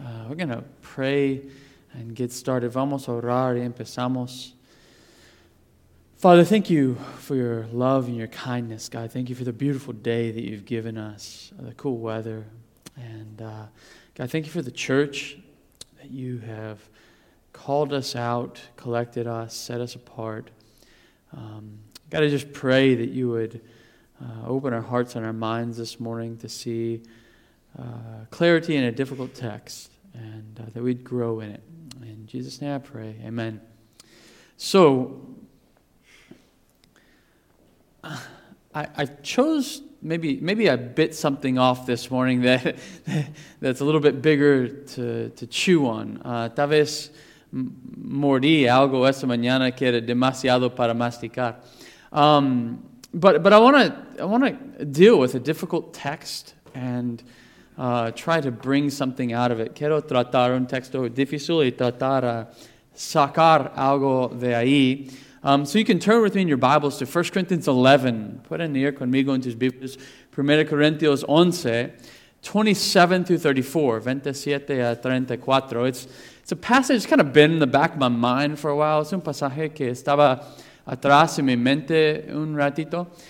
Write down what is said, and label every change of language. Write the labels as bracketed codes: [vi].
[en] We're going to pray and get started. [es] Vamos a orar y empezamos. [en] Father, thank you for your love and your kindness, God. Thank you for the beautiful day that you've given us, the cool weather. And God, thank you for the church that you have called us out, collected us, set us apart. God, I just pray that you would open our hearts and our minds this morning to see clarity in a difficult text, and that we'd grow in it. In Jesus' name I pray, amen. So, I chose, maybe I bit something off this morning that's a little bit bigger to chew on. [es] Tal vez mordí algo esta mañana que era demasiado para masticar. [en] But I want to deal with a difficult text and try to bring something out of it. [es] Quiero tratar un texto difícil y tratar a sacar algo de ahí. [en] So you can turn with me in your Bibles to 1 Corinthians 11. Put in here [es] conmigo en tus Biblias. [en] 1 Corinthians 11, 27 through 34. [es] 27 a 34. [en] It's a passage that's kind of been in the back of my mind for a while. [es] Es un pasaje que estaba atrás en mi mente un ratito.